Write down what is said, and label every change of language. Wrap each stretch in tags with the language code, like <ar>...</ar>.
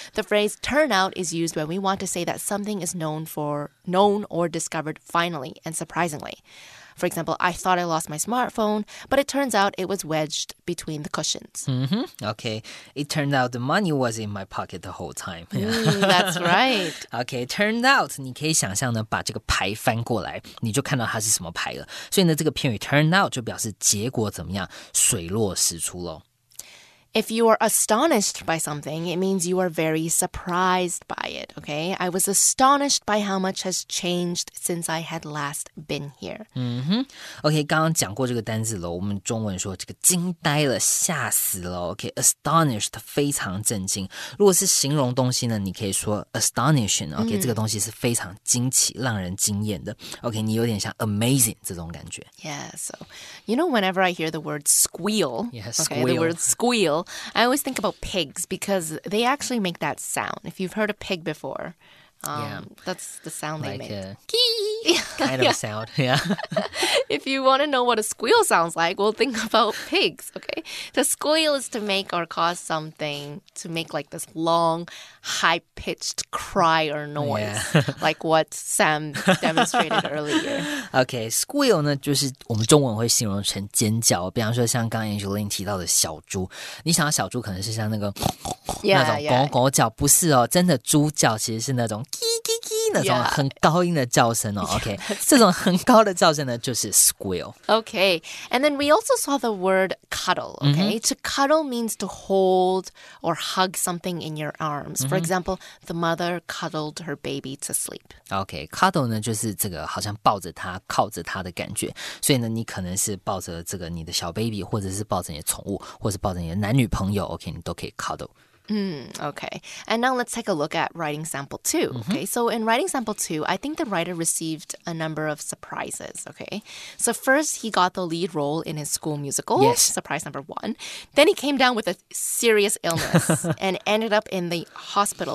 <en>The phrase turn out is used when we want to say that something is known or discovered finally and surprisingly. For example, I thought I lost my smartphone, but it turns out it was wedged between the cushions. Mm-hmm. Okay, it turned out the money was in my pocket the whole time.、 Yeah. That's right.</en> <zh>Okay, turned out, 你可以想象呢，把这个牌翻过来，你就看到它是什么牌了。所以呢，这个片语 turned out 就表示结果怎么样，水落石出咯。</zh> <en>If you are astonished by something, it means you are very surprised by it, okay? I was astonished by how much has changed since I had last been here. Mm-hmm.</en> <zh>Okay, 刚刚讲过这个单字了，我们中文说这个惊呆了，吓死了。 Okay, astonished, 非常震惊。如果是形容东西呢，你可以说 astonishing, okay?、Mm. 这个东西是非常惊奇，让人惊艳的。 Okay, 你有点像 amazing 这种感觉。</zh> <en>Yeah, so, you know, whenever I hear the word squeal, okay, the word squeal,I always think about pigs because they actually make that sound. If you've heard a pig before,that's the sound they make. Like a kind of yeah. sound. Yeah. If you want to know what a squeal sounds like, well, think about pigs, okay? The squeal is to make or cause something to make like this long, high-pitched cry or noise,、 yeah. like what Sam demonstrated earlier.</en> <zh>Okay, squeal 呢就是我们中文会形容成尖叫，比方说像刚刚 Angeline 提到的小猪，你想到小猪可能是像那个</zh> <en>yeah,</en> <zh>那种狗狗叫，</zh> <en>yeah.</en> <zh>不是哦，真的猪叫其实是那种叽叽叽那种很高音的叫声哦。</zh> <en>Yeah.</en> <zh>Okay, 这种很高的叫声呢就是 squeal.</zh> <en>Okay, and then we also saw the word cuddle. Okay,、 mm-hmm. to cuddle means to hold or hug something in your arms.、 Mm-hmm. For example, the mother cuddled her baby to sleep.</en> <zh>Okay, cuddle 呢就是这个好像抱着他靠着他的感觉，所以呢你可能是抱着这个你的小 baby， 或者是抱着你的宠物，或者是抱着你的男女朋友。 Okay, 你都可以 cuddle.</zh> <en>Okay. And now let's take a look at writing sample two. Okay. Mm-hmm. So in writing sample two, I think the writer received a number of surprises. Okay. So first, he got the lead role in his school musical. Yes. Surprise number one. Then he came down with a serious illness and ended up in the hospital.</en>